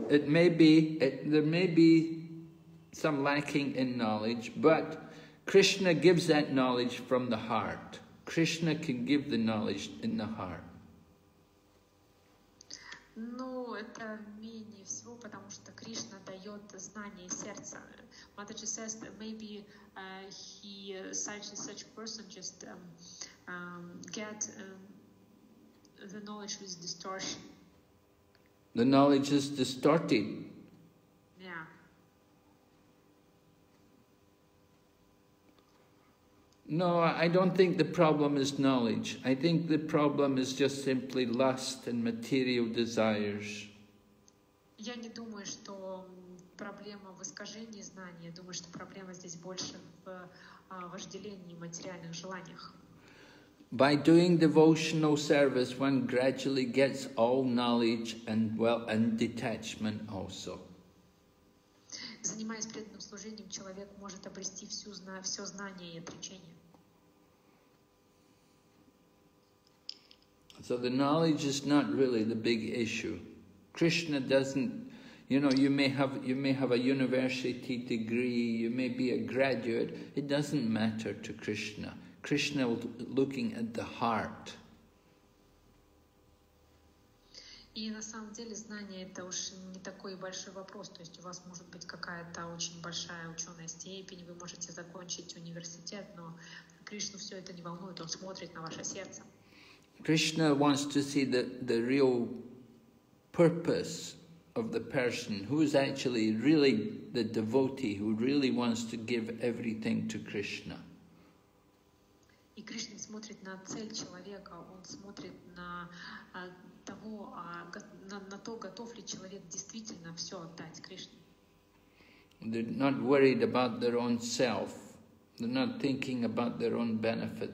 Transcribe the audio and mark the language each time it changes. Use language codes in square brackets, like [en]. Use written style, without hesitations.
[en] It may be, there may be some lacking in knowledge, but Krishna gives that knowledge from the heart. Krishna can give the knowledge in the heart. [ru] Ну, это менее всего, потому что Кришна дает знание сердца. [en] Mataji says that maybe such person just get the knowledge with distortion. The knowledge is distorted. Yeah. No, I don't think the problem is knowledge. I think the problem is just simply lust and material desires. [ru] Я не думаю, что проблема в искажении знаний. Я думаю, что проблема здесь больше в вожделении и материальных желаниях. [en] By doing devotional service, one gradually gets all knowledge and detachment also. [ru] Занимаясь преданным служением, человек может обрести все знание и отречение. [en] So the knowledge is not really the big issue. Krishna doesn't, you may have a university degree, you may be a graduate, it doesn't matter to Krishna. Krishna looking at the heart. [ru] И на самом деле знание это уж не такой большой вопрос. То есть у вас может быть какая-то очень большая ученая степень, вы можете закончить университет, но Кришну все это не волнует, он смотрит на ваше сердце. [en] Krishna wants to see the real purpose of the person who is actually really the devotee who really wants to give everything to Krishna. [ru] И Кришна смотрит на цель человека, он смотрит на того, на то, готов ли человек действительно все отдать Кришне. [en] They're not worried about their own self. They're not thinking about their own benefit.